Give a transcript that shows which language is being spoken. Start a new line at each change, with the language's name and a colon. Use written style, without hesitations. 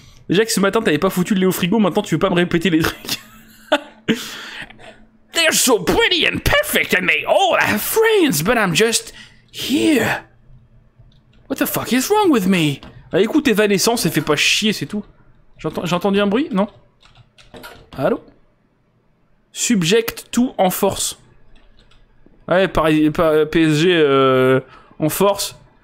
French: Déjà que ce matin, t'avais pas foutu le lait au frigo, maintenant tu veux pas me répéter les trucs.
English: They're so pretty and perfect and they all have friends, but I'm just... here. What the fuck is wrong with me?
French: Ah, écoute, Evanescence, elle fait pas chier, c'est tout. J'ai entendu un bruit, non? Allô? Subject to en force. Ouais, PSG en force.